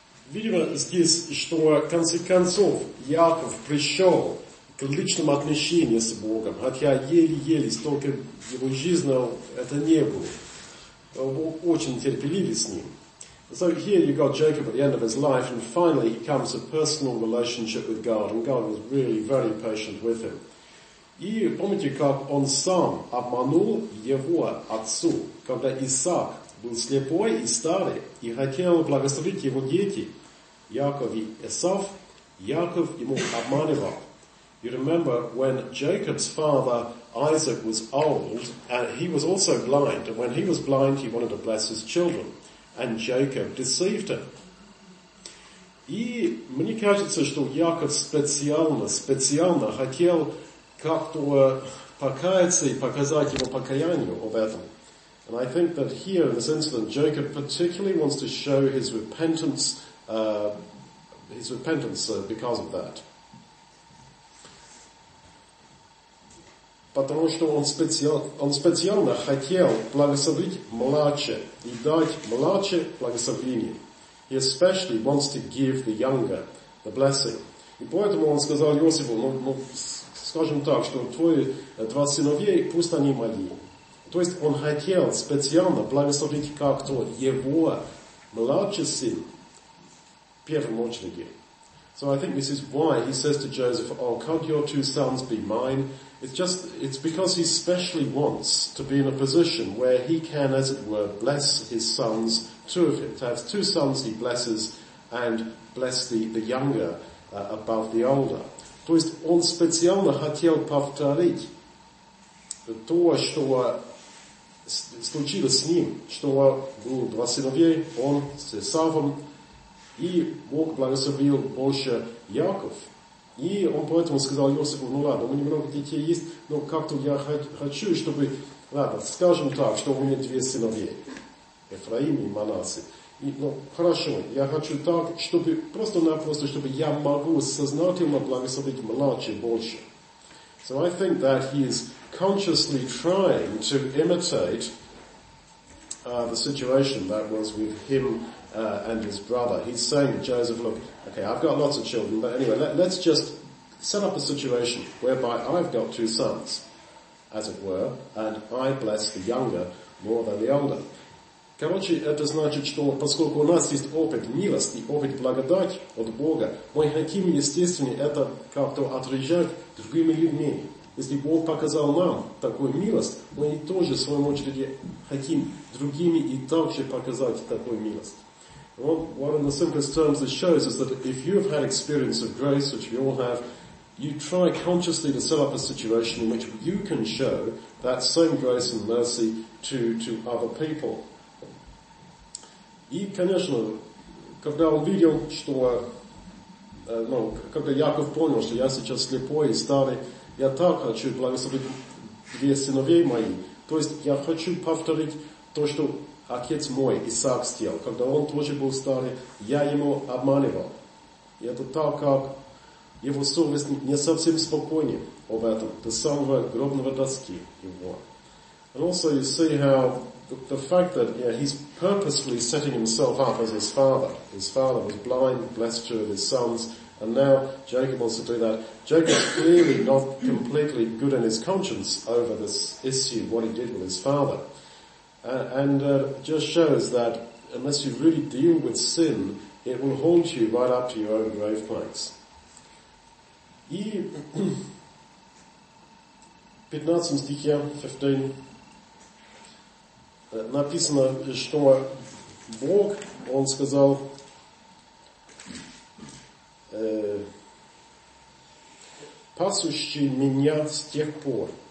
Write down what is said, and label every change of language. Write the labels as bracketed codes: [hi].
[ru] Видимо, здесь, что в конце концов Яков пришел к личному отношению с Богом, хотя еле-еле столько его жизни это не было. Бог очень терпеливый с ним. [en] So here you got Jacob at the end of his life, and finally he comes a personal relationship with God, and God was really very patient with him. [ru] И помните, как он сам обманул его отцу, когда Исаак был слепой и старый, и хотел благословить его дети, Яков и Эсав, Яков ему обманывал. [en] You remember when Jacob's father Isaac was old, and he was also blind, and when he was blind, he wanted to bless his children, and Jacob deceived him. [ru] И мне кажется, что Яков специально хотел как-то покаяться и показать его покаянию об этом. [en] And I think that here in this incident, Jacob particularly wants to show his repentance because of that. [ru] Потому что он специально хотел благословить младше и дать младше благословение. [en] He especially wants to give the younger the blessing. [ru] И поэтому он сказал Иосифу, ну скажем так, что два сыновей, пусть они мои. То есть он хотел специально благословить как-то его младший сын в первом очереди. [en] So I think this is why he says to Joseph, oh, can't your two sons be mine? It's because he specially wants to be in a position where he can, as it were, bless his sons, two of them. To have two sons he blesses and bless the younger above the older. [ru] То есть он специально хотел повторить то, что случилось с ним, что было два сыновей, он с Эсавом, и Бог благословил больше Яков. И он поэтому сказал Иосифу, ну ладно, у меня много детей есть, но как-то я хочу, чтобы, ладно, скажем так, что у меня две сыновья, Эфраим и Манасе. Ну, хорошо, я хочу так, чтобы, просто-напросто, чтобы я могу сознательно благословить младше больше. [en] So I think that he is consciously trying to imitate the situation that was with him and his brother. He's saying to Joseph, look, okay, I've got lots of children, but anyway, let's just set up a situation whereby I've got two sons, as it were, and I bless the younger more than the older. [ru] Короче, это значит, что поскольку у нас есть опыт милости, опыт благодати от Бога, мы хотим, естественно, это как-то отрежать другими людьми. Если Бог показал нам такую милость, мы тоже, в свою очередь, хотим другими и также показать такую милость. [en] Well, what in the simplest terms this shows is that if you have had experience of grace, which we all have, you try consciously to set up a situation in which you can show that same grace and mercy to other people. [ru] И, конечно, когда он видел, что, ну, когда Яков понял, что я сейчас слепой и старый, я так хочу благословить две сыновей мои. То есть я хочу повторить то, что отец мой, Исаак, сделал, когда он тоже был старый, я ему обманывал. И это так, как его совесть не совсем спокойна об этом, до самого гробного доски его. [en] And also you see how the fact that he's purposely setting himself up as his father was blind, blessed two of his sons, and now Jacob wants to do that. Jacob's clearly not completely good in his conscience over this issue, what he did with his father. And just shows that unless you really deal with sin, it will haunt you right up to your own grave place. [ru] И 15 стихе, 15, написано, что Бог, он сказал, пасущий меня с тех пор.